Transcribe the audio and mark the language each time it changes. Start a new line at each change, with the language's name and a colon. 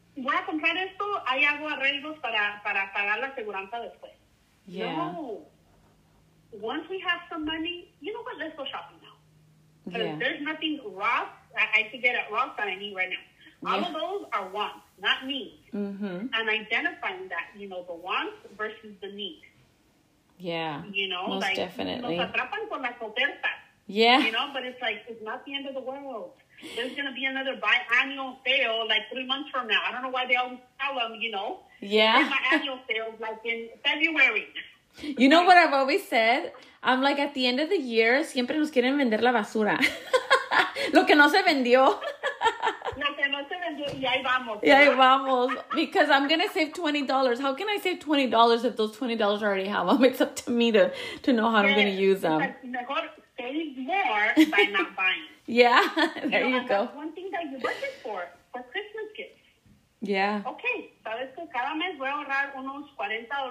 Spanish: Voy a comprar esto, ahí hago arreglos para pagar la aseguranza después.
English: Yeah. No. Once we have some money, you know what? Let's go shopping now. There's nothing wrong. I could get at Ross that I need right now. All of those are wants, not needs. Mm-hmm. And identifying that, you know, the wants versus the needs. Yeah. You know, most like, definitely.
Spanish: Nos atrapan con las ofertas.
English: Yeah. You know, but it's like, it's not the end of the world. There's going to be another biannual sale like 3 months from now. I don't know why they always tell them, you know. Yeah. My annual sales like in February. You know what I've always said? I'm like, at the end of the year,
Spanish: siempre nos quieren vender la basura. Lo que no se vendió. Lo que no se vendió, y ahí vamos. Y ahí vamos.
English: Because I'm going to save $20. How can I save $20 if those $20 I already have them? It's up to me to know how I'm going to use them.
Spanish: Mejor
English: save more by not buying. Yeah, there you go. That's one thing that you budget for Christmas gifts. Yeah.
Spanish: Okay, sabes que cada mes voy a ahorrar unos $40.